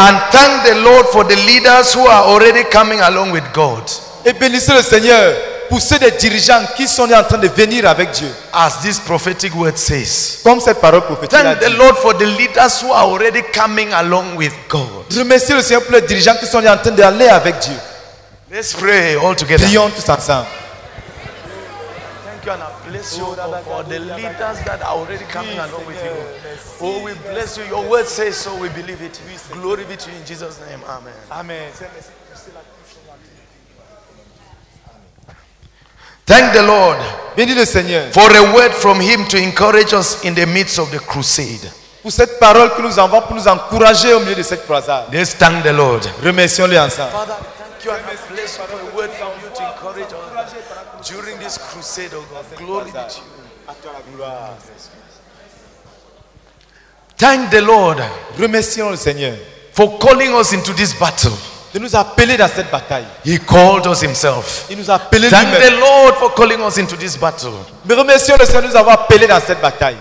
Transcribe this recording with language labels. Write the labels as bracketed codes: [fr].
[en] And thank the Lord for the leaders who are already coming along with God. [fr] Et bénissez le Seigneur pour ceux des dirigeants qui sont en train de venir avec Dieu. [en] As this prophetic word says, [fr] comme cette parole prophétique [en] thank the Lord for the leaders who are already coming along with God. [fr] Remercie le Seigneur pour les dirigeants qui sont en train d'aller avec Dieu. [en] Let's pray all together. [fr] Prions tous ensemble. [en] you and I bless you, oh, for the leaders that are already coming along with you. Oh, we bless you. Your word says so. We believe it. Glory be to you in Jesus' name. Amen. Amen. Thank the Lord. [fr] Béni le Seigneur. [en] For a word from him to encourage us in the midst of the crusade. [fr] Pour cette parole que nous avons pour nous encourager au milieu de cette croisade. [en] Let's thank the Lord. [fr] Remercions-le ensemble. [en] Father, thank you and I bless you for a word from you to encourage us during this crusade, oh God. Glory be to you. Thank the Lord. [fr] Remercions le Seigneur. [en] For calling us into this battle. [fr] De nous appeler dans cette bataille. [en] He called us himself. [fr] Il nous a appelé lui-même. [en] Thank the Lord for calling us into this battle. [fr] Mais remercions le Seigneur de nous avoir appelé dans cette bataille.